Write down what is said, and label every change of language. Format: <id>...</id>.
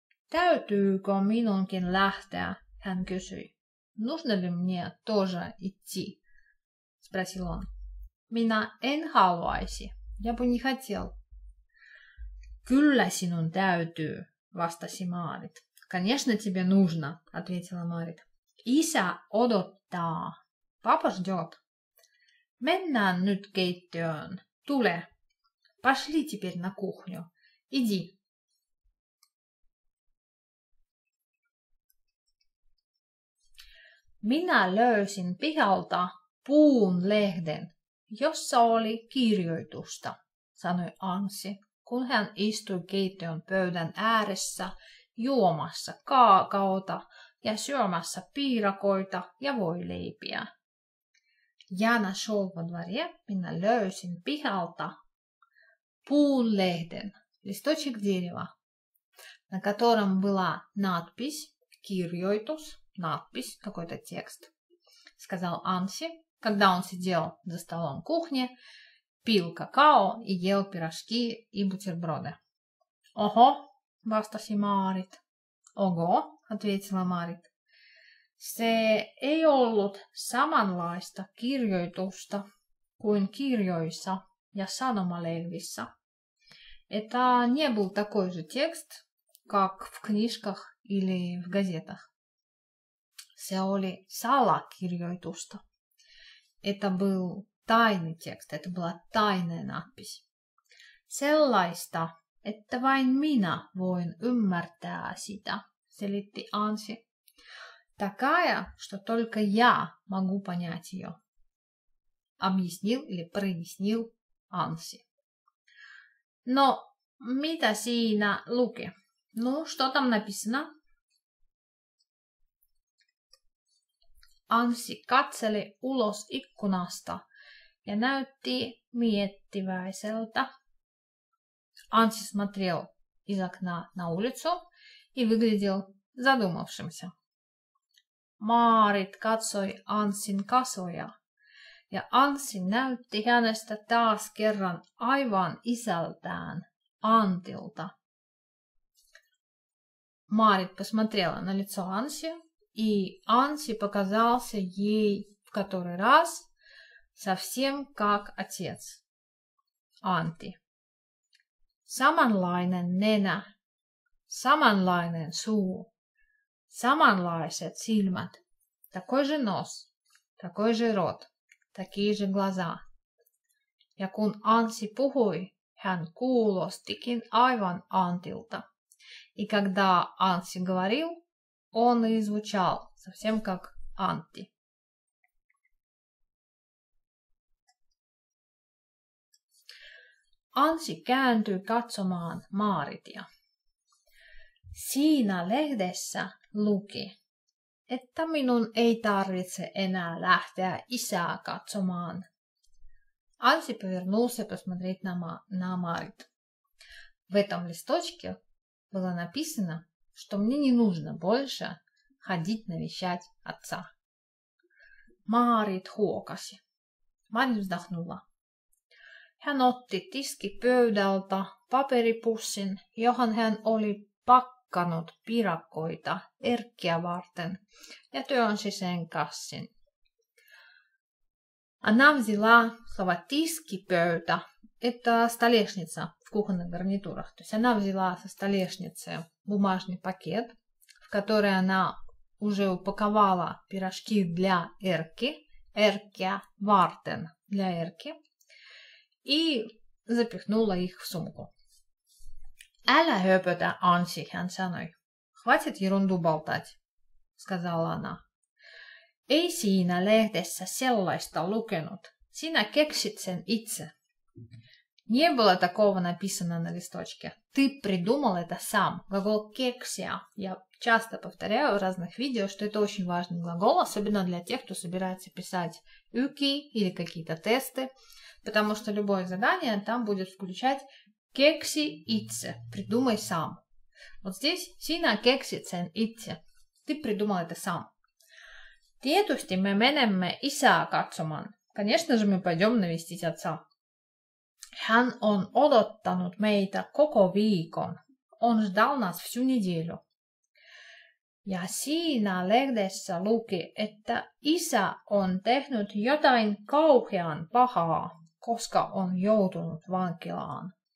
<fi>Täytyykö minunkin lähteä, hän kysyi.</fi> <ru>Нужно ли мне тоже идти? Спросил он.</ru> <fi>Minä en haluaisi.</fi> <ru>Я бы не хотел.</ru> <fi>Kyllä sinun täytyy, vastasi Marit.</fi> <ru>Конечно, тебе нужно, ответила Marit.</ru> <fi>Isä odottaa.</fi> <ru>Папа ждет.</ru> <fi>Mennään nyt keittiöön. Tule.</fi> <ru>Пошли теперь на кухню. Иди.</ru> <fi>Minä löysin pihalta puun lehden, jossa oli kirjoitusta, sanoi Anssi, kun hän istui keittiön pöydän ääressä juomassa kaakaota ja syömässä piirakoita ja voileipiä.</fi> <ru>Jana Sholvadvarje,</ru> <fi>minä löysin pihalta puun lehden,</fi> <ru>листочек дерева, на котором была надпись, кирьойтус, надпись, какой-то текст, сказал Анси, когда он сидел за столом кухни, пил какао и ел пирожки и бутерброды.</ru> <fi>Ого, vastasi Marit.</fi> <ru>Ого, ответила Marit.</ru> <fi>Se ei ollut samanlaista kirjoitusta kuin kirjoissa ja sanomalehdissä.</fi> <ru>Это не был такой же текст, как в книжках или в газетах.</ru> <fi>Se oli salakirjoitusta.</fi> <ru>Это был тайный текст, это была тайная надпись.</ru> <fi>Sellaista, että vain minä voin ymmärtää sitä, selitti Anssi.</fi> <ru>Такая, что только я могу понять ее, объяснил или прояснил Анси.</ru> <fi>Но mitä siinä luki?</fi> <ru>Ну, что там написано?</ru> <fi>Anssi katseli ulos ikkunasta ja näytti miettiväiseltä.</fi> <ru>Anssi смотрел из окна на улицу и выглядел задумавшимся.</ru> <fi>Marit katsoi Anssin kasvoja ja Anssi näytti hänestä taas kerran aivan isältään, Antilta.</fi> <ru>Марит посмотрела на лицо Анси, и Анси показался ей в который раз совсем как отец. Анти.</ru> <fi>Samanlainen nenä, samanlainen suu, samanlaiset silmät,</fi> <ru>такой же нос, такой же рот, такие же глаза.</ru> <fi>Ja kun Anssi puhui, hän kuulostikin aivan Antilta.</fi> <ru>И когда Анси говорил, он и звучал совсем как Анти.</ru> <fi>Анси кääntyi katsomaan Maritia. Siinä lehdessä luki, että minun ei tarvitse enää lähteä isää katsomaan.</fi> <ru>Анси повернулся посмотреть на Марит. В этом листочке было написано, что мне не нужно больше ходить навещать отца. Марит</ru> <fi>хуокаси.</fi> <ru>Марит вздохнула.</ru> <fi>Hän otti tiskipöydältä paperipussin, johon hän oli pakkanut pirakoita Erkkiä varten, ja työnsi sen kassin.</fi> <ru>Она взяла слово «тискипёйта». Это столешница в кухонных гарнитурах. То есть она взяла со столешницы бумажный пакет, в который она уже упаковала пирожки для Эрки.</ru> <fi>Эркия вартен</fi> <ru>для Эрки. И запихнула их в сумку.</ru> <fi>Älä höpötä, Anssi, hän sanoi.</fi> <ru>Хватит ерунду болтать, сказала она.</ru> <fi>Ei siinä lehdessä sellaista lukenut. Sinä keksit sen itse.</fi> <ru>Не было такого написано на листочке. Ты придумал это сам. Глагол кексия. Я часто повторяю в разных видео, что это очень важный глагол, особенно для тех, кто собирается писать юки или какие-то тесты. Потому что любое задание там будет включать</ru> <fi>кекси итсе.</fi> <ru>Придумай сам. Вот здесь</ru> <fi>сина кекси цен итсе.</fi> <ru>Ты придумал это сам.</ru> <fi>Tietysti me menemme isää katsomaan.</fi> <ru>Конечно же, мы пойдем навестить отца.</ru> <fi>Hän on odottanut meitä koko viikon.</fi> <ru>Он ждал нас всю неделю.</ru> <fi>Ja siinä lehdessä luki, että isä on tehnyt jotain kauhean pahaa, koska on joutunut vankilaan.</fi>